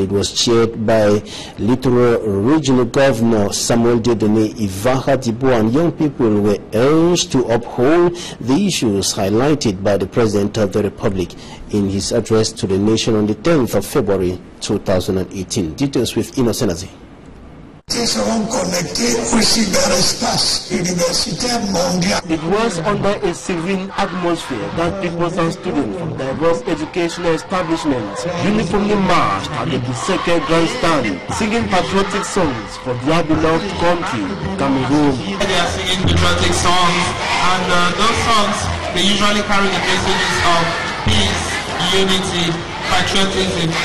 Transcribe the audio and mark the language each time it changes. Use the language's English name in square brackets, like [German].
[English] It was chaired by Littoral Regional Governor Samuel Dedonné Ivaha Dibo, and young people were urged to uphold the issues highlighted by the President of the Republic in his address to the nation on the 10th of February 2018. Details with Innocent [French] Azé. Ils seront connectés aussi dans l'espace universitaire mondial. [English] It was under a serene atmosphere that pupils and students from diverse educational establishments uniformly marched at the Beseke grandstand, singing patriotic songs for their beloved country, Cameroon. They are singing patriotic songs, and those songs, they usually carry the messages of peace, unity, patriotism.